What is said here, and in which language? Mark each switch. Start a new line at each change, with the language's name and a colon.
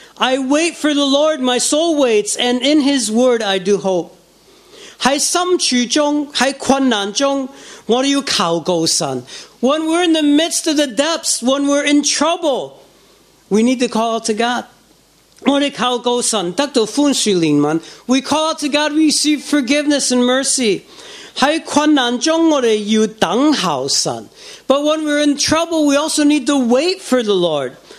English: I wait for the Lord, my soul waits, and in his word I do hope.
Chinese: 在心处中，在困难中，我要求告神。
English: When we're in the midst of the depths, when we're in trouble, we need to call out to God. We call out to God, we receive forgiveness and mercy. But when we're in trouble, we also need to wait for the Lord.